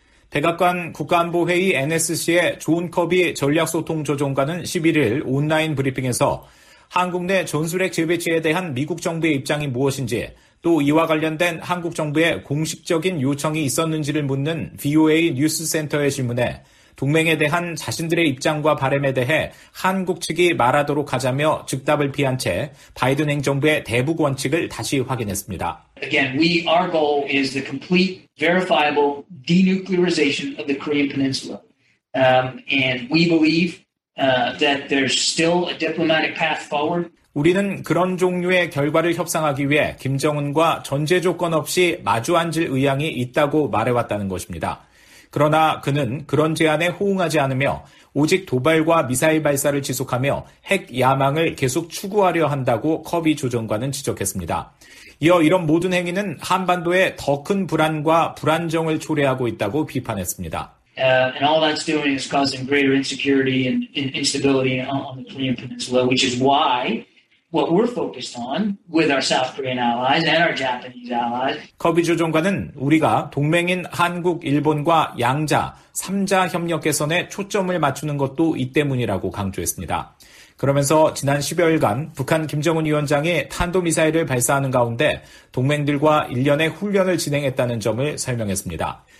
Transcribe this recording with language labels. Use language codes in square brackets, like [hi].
[ko] 백악관 국가안보회의 NSC의 존 커비 전략소통조정관은 11일 온라인 브리핑에서 한국 내 전술핵 재배치에 대한 미국 정부의 입장이 무엇인지 또 이와 관련된 한국 정부의 공식적인 요청이 있었는지를 묻는 VOA 뉴스센터의 질문에 동맹에 대한 자신들의 입장과 바람에 대해 한국 측이 말하도록 하자며 즉답을 피한 채 바이든 행정부의 대북 원칙을 다시 확인했습니다. [en] Again, we our goal is the complete verifiable denuclearization of the Korean Peninsula. And we believe that there's still a diplomatic path forward. [ko] 우리는 그런 종류의 결과를 협상하기 위해 김정은과 전제 조건 없이 마주 앉을 의향이 있다고 말해왔다는 것입니다. 그러나 그는 그런 제안에 호응하지 않으며 오직 도발과 미사일 발사를 지속하며 핵 야망을 계속 추구하려 한다고 커비 조정관은 지적했습니다. 이어 이런 모든 행위는 한반도에 더 큰 불안과 불안정을 초래하고 있다고 비판했습니다. [en] And all that's doing is causing greater insecurity and instability on the Korean Peninsula, which is why what we're focused on with our South Korean allies and our Japanese allies. [ko] 커비 조정관은 우리가 동맹인 한국, 일본과 양자, 삼자 협력 개선에 초점을 맞추는 것도 이 때문이라고 강조했습니다. 그러면서 지난 10여일간 북한 김정은 위원장이 탄도미사일을 발사하는 가운데 동맹들과 일련의 훈련을 진행했다는 점을 설명했습니다.